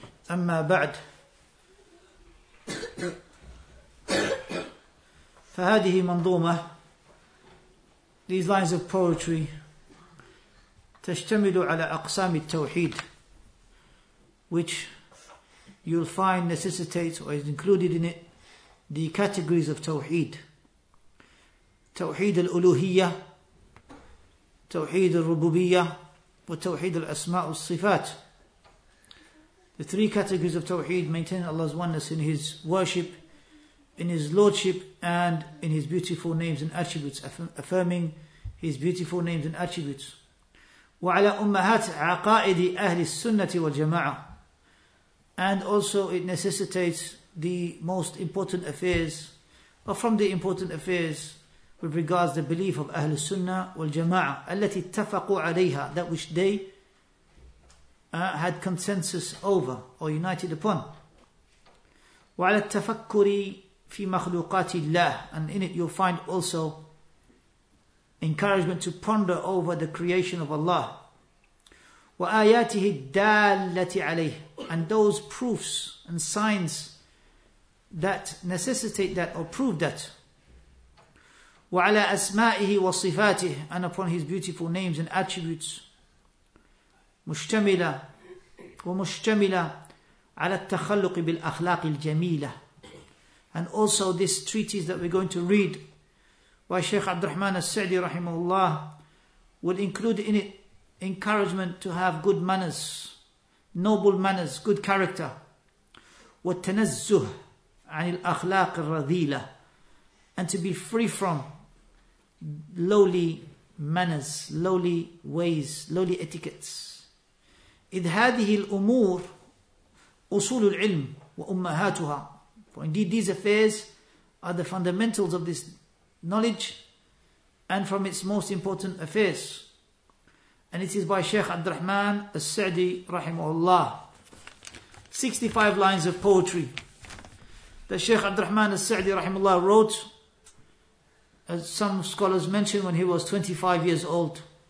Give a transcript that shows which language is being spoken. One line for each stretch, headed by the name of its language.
Arabic: أما بعد، فهذه منظومة،
English: these lines of poetry،
Arabic: تشتمل على أقسام التوحيد،
English: which you'll find necessitates or is included in it the categories of توحيد.
Arabic: توحيد الألوهية، توحيد الربوبية، وتوحيد الأسماء والصفات.
English: The three categories of توحيد: maintaining Allah's oneness in His worship, in His lordship, and in His beautiful names and attributes, affirming His beautiful names and attributes.
Arabic: وعلى أمهات عقائد أهل السنة والجماعة.
English: And also it necessitates the most important affairs, or from the important affairs with regards the belief of
Arabic: أهل السنة والجماعة التي اتفقوا عليها,
English: that which they had consensus over or united upon.
Arabic: وعلى التفكر في مخلوقات الله.
English: And in it you'll find also encouragement to ponder over the creation of Allah.
Arabic: وآياته الدالة عليه.
English: And those proofs and signs that necessitate that or prove that.
Arabic: وعلى أسمائه وصفاته.
English: And upon His beautiful names and attributes.
Arabic: مشتملة ومشتملة على التخلق بالأخلاق الجميلة.
English: And also this treatise that we're going to read by Shaykh Abd al-Rahman al-Sa'di rahimahullah will include in it encouragement to have good manners, noble manners, good character.
Arabic: والتنزه عن الأخلاق الرذيلة.
English: And to be free from lowly manners, lowly ways, lowly etiquettes.
Arabic: إذ هذه الأمور أصول العلم وأمهاتها.
English: For indeed these affairs are the fundamentals of this knowledge and from its most important affairs. And it is by Shaykh Abd al-Rahman al-Sa'di rahimahullah. 65 lines of poetry that Shaykh Abd al-Rahman al-Sa'di rahimahullah wrote, as some scholars mention, when he was 25 years old.